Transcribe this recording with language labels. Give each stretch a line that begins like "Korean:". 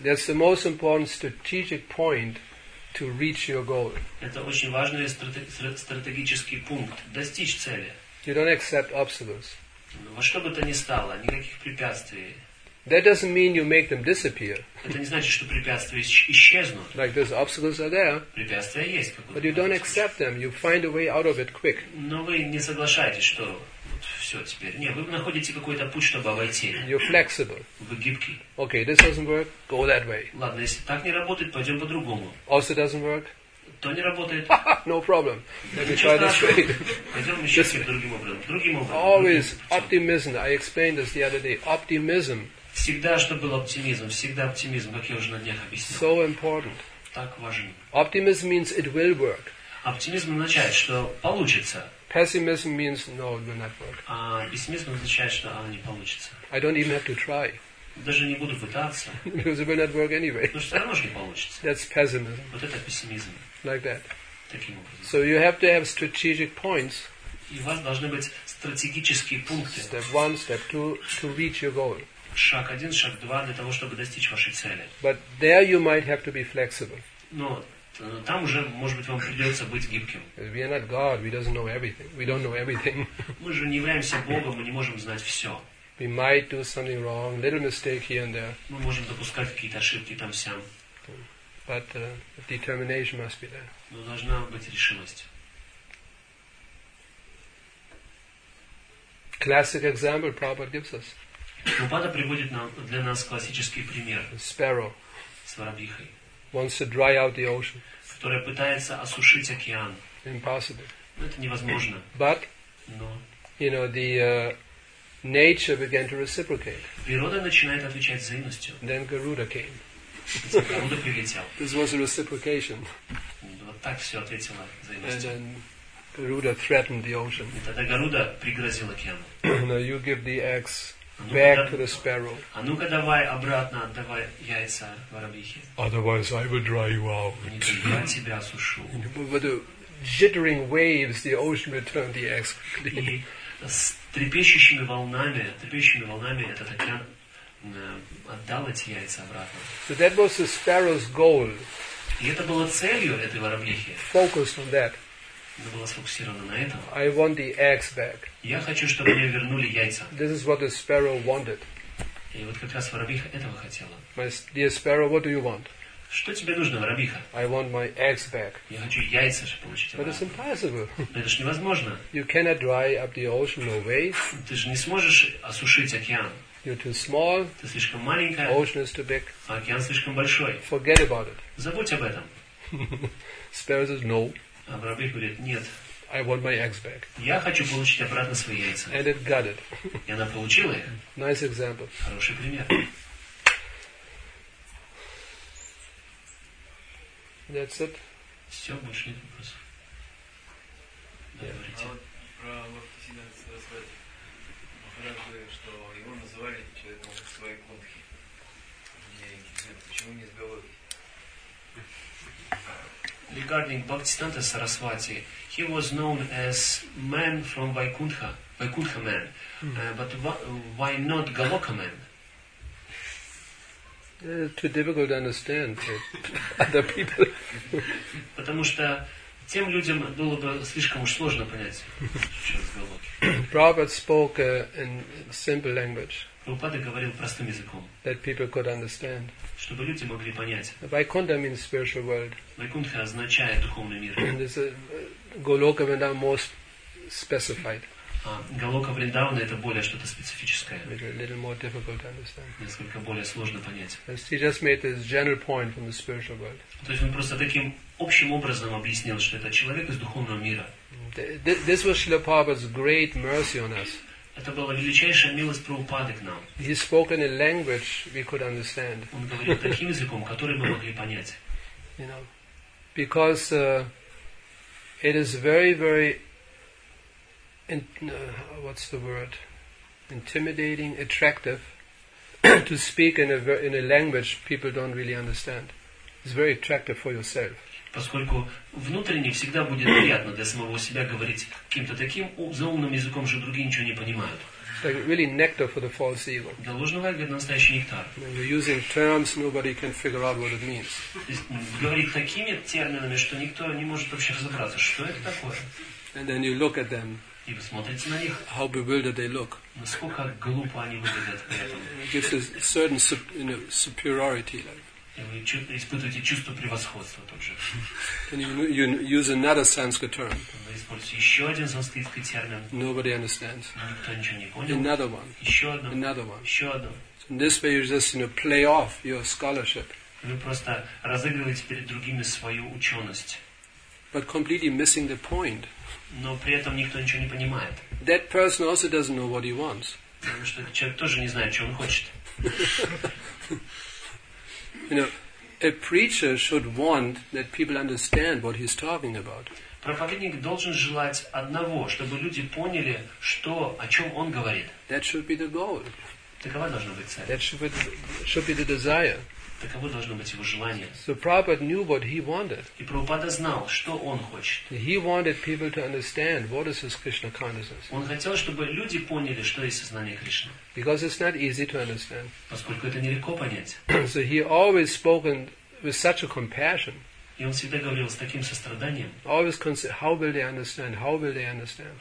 English: That's the most important strategic point to reach your goal.
Russian: Это очень важный стратегический пункт. Достичь цели.
English: You don't accept obstacles.
Russian: Во что бы то ни стало, никаких препятствий.
English: That doesn't mean you make them disappear.
Russian: Это не значит, что препятствия исчезнут.
English: Like those obstacles are there.
Russian: Препятствия есть, как
English: But you don't accept them. You find a way out of it quick.
Russian: Но вы не соглашаетесь, что все теперь. Нет, вы находите какой-то путь, чтобы обойти.
English: You're flexible.
Russian: Вы гибкий.
English: Okay, this doesn't work. Go that way.
Russian: Ладно, если так не работает, пойдем по-другому.
English: Also doesn't work.
Russian: То не работает.
English: No problem. Let me try this way.
Russian: Пойдем еще к другим образом. Другим образом.
English: Always optimism. I explained this the other day. Optimism.
Russian: Всегда, чтобы был оптимизм. Всегда оптимизм, как я уже на днях объяснил.
English: So important.
Russian: Так важен.
English: Optimism means it will work.
Russian: Оптимизм означает, что получится.
English: Pessimism means no, it will not work.
Russian: А пессимизм означает, что оно не получится.
English: I don't even have to try.
Russian: Даже не буду пытаться.
English: Because it will not work anyway.
Russian: Потому что все равно же не получится.
English: That's pessimism.
Russian: Вот это пессимизм.
English: Like that.
Russian: Таким образом.
English: So you have to have strategic points.
Russian: И у вас должны быть стратегические пункты.
English: Step one, step two, to reach your goal.
Russian: Шаг один, шаг два для того, чтобы достичь вашей цели.
English: But there you might have to be flexible.
Russian: Но там уже, может быть, вам придется быть гибким.
English: We are not God. We don't know everything. We don't know everything.
Russian: Мы же не являемся Богом, мы не можем знать все.
English: We might do something wrong, little mistake here and there.
Russian: Мы можем допускать какие-то ошибки там сям.
English: But determination must be there.
Russian: Но должна быть решимость.
English: Classic example Prabhupada gives us.
Russian: Прабхупада приводит для нас классический пример.
English: Sparrow.
Russian: С воробьихой.
English: Wants to dry out the ocean.
Russian: Которая пытается осушить океан.
English: Impossible.
Russian: это невозможно.
English: But,
Russian: но,
English: you know, the nature began to reciprocate.
Russian: Природа начинает отвечать взаимностью.
English: Then Garuda came.
Russian: Garuda прилетел.
English: This was a reciprocation.
Russian: Вот так все ответило взаимностью.
English: And then Garuda threatened the ocean.
Russian: И тогда Garuda пригрозил океану.
English: Now you give the eggs back to the sparrow.
Russian: А ну-ка давай обратно отдавай яйца воробьихе.
English: Otherwise I will dry you out.
Russian: Я тебя осушу.
English: With jittering waves, the ocean returned the eggs quickly.
Russian: Трепещущими волнами этот океан отдал эти яйца обратно.
English: So that was the sparrow's goal.
Russian: И это было целью этой воробьихи.
English: Focused on that.
Russian: Она была сфокусирована на этом.
English: I want the eggs back.
Russian: Я хочу, чтобы мне вернули яйца.
English: This is what the sparrow wanted.
Russian: И вот как раз воробьиха этого хотела.
English: My dear sparrow, what do you want?
Russian: Что тебе нужно, воробьиха?
English: I want my eggs back.
Russian: Я хочу яйца же получить обратно.
English: But it's impossible.
Russian: Но это же невозможно.
English: You cannot dry up the ocean, no way.
Russian: Ты же не сможешь осушить океан.
English: You're too small.
Russian: Ты слишком маленькая.
English: Ocean is too big.
Russian: А океан слишком большой.
English: Forget about it.
Russian: Забудь об этом.
English: Sparrow says no.
Russian: А воробей говорит нет.
English: I want my eggs back.
Russian: Я хочу получить обратно свои яйца.
English: And it got it.
Russian: И она получила их.
English: Nice example.
Russian: Хороший пример.
English: That's it.
Russian: Все, больше нет вопросов. Говорите. А вот про Бхактисиддханта Сарасвати. Махараджи, что его называли человеком в своей кундхи. Почему не из Галоки?
English: Regarding Bhaktisiddhanta Sarasvati, he was known as man from Vaikuntha, Vaikuntha man. But why not Galoka man? Too difficult to understand for other people.
Russian: Потому что тем людям было бы слишком уж сложно понять, что это Галоки.
English: Prabhupada spoke in simple language.
Russian: Прабхупада говорил простым языком.
English: That people could understand.
Russian: Чтобы люди могли понять.
English: Vaikuntha means spiritual world.
Russian: Vaikuntha означает духовный мир.
English: And this Галока Вриндавана most specified.
Russian: Галока Вриндавана это более что-то специфическое.
English: It's a little more difficult to understand.
Russian: Несколько более сложно понять.
English: As he just made this general point from the spiritual world.
Russian: То есть он просто таким общим образом объяснил, что это человек из духовного мира.
English: This was Srila Prabhupada's great mercy on us.
Russian: Это была величайшая милость Прабхупады к нам.
English: He spoke in a language we could understand.
Russian: Он говорил таким языком, который мы могли понять.
English: You know, because it is very, very what's the word? Intimidating, attractive to speak in a language people don't really understand. It's very attractive for yourself.
Russian: Поскольку внутренне всегда будет приятно для самого себя говорить каким-то таким заумным языком, что другие ничего не понимают.
English: Like really nectar for the false ego.
Russian: Для ложного эго это настоящий нектар.
English: When you're using terms, nobody can figure out what it means.
Russian: Говорить такими терминами, что никто не может вообще разобраться, что это такое.
English: And then you look at them.
Russian: И вы смотрите на них.
English: How bewildered they look.
Russian: Насколько глупо они выглядят при этом.
English: It gives a certain superiority.
Russian: И вы испытываете чувство превосходства тут же.
English: And you use another Sanskrit term.
Russian: Вы используете еще один санскритский термин.
English: Nobody understands.
Russian: Никто ничего не понял.
English: Another one.
Russian: Еще одно.
English: Another one.
Russian: Еще одно.
English: So in this way you just, you know, play off your scholarship.
Russian: Вы просто разыгрываете перед другими свою ученость.
English: But completely missing the point.
Russian: Но при этом никто ничего не понимает.
English: That person also doesn't know what he wants.
Russian: Потому что этот человек тоже не знает, что он хочет.
English: You know, a preacher should want that people understand what he's talking about.
Russian: Проповедник должен желать одного, чтобы люди поняли, что, о чем он говорит.
English: That should be the goal.
Russian: Такова должна быть цель.
English: That should be the desire.
Russian: Таково должно быть его желание.
English: So Prabhupada knew what he wanted.
Russian: И Прабхупада знал, что он хочет.
English: He wanted people to understand what is his Krishna consciousness.
Russian: Он хотел, чтобы люди поняли, что есть сознание Кришны.
English: Because it's not easy to understand.
Russian: Поскольку это нелегко понять.
English: So he always spoke with such a compassion.
Russian: И он всегда говорил с таким состраданием.
English: Always concerned, how will they understand? How will they understand?